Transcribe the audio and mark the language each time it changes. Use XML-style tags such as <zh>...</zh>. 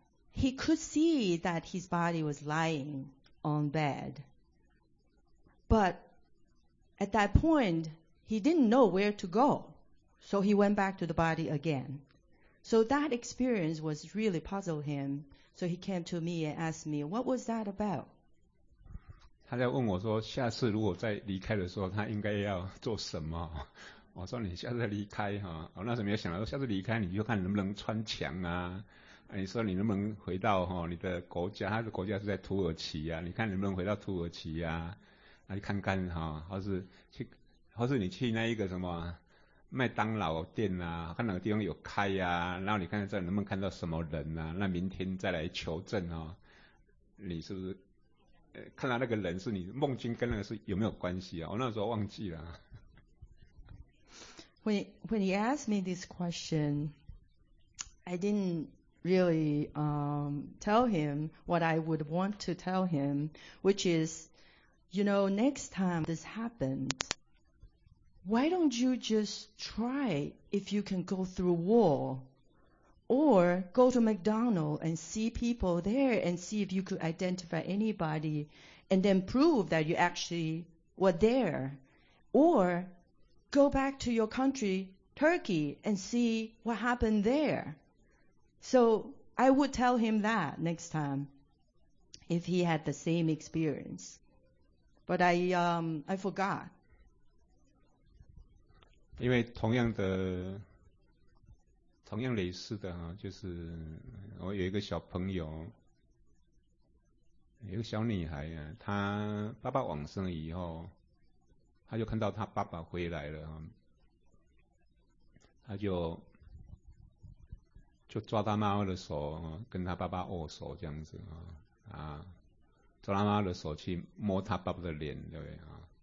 <en>He could see that his body was lying on bed. But at that point, he didn't know where to go. So he went back to the body again. So that experience was really puzzled him. So he came to me and asked me, what was that about?</en> <zh>他在问我说，下次如果再离开的时候，他应该要做什么？我说你下次离开哈、啊，我那时候没有想到，下次离开你就看能不能穿墙啊。你说你能不能回到哈、啊、你的国家？他的国家是在土耳其啊，你看能不能回到土耳其啊？那看看哈、啊，或是你去那一个什么？麦当劳店啊，看哪个地方有开啊，然后你看看这能不能看到什么人啊，那明天再来求证哦，你是不是、看到那个人是你梦境跟那个是有没有关系啊，我那时候忘记了。</zh> <en>When he asked me this question, I didn't really, tell him what I would want to tell him, which is, you know, next time this happens,Why don't you just try if you can go through wall or go to McDonald's and see people there and see if you could identify anybody and then prove that you actually were there or go back to your country, Turkey, and see what happened there. So I would tell him that next time if he had the same experience. But I forgot.</en> <zh>因为同样类似的、啊、就是我有一个小朋友，有一个小女孩、啊、她爸爸往生以后，她就看到她爸爸回来了、啊、她就抓她妈妈的手、啊、跟她爸爸握手这样子 啊, 啊，抓她妈妈的手去摸她爸爸的脸，对不对啊？</zh>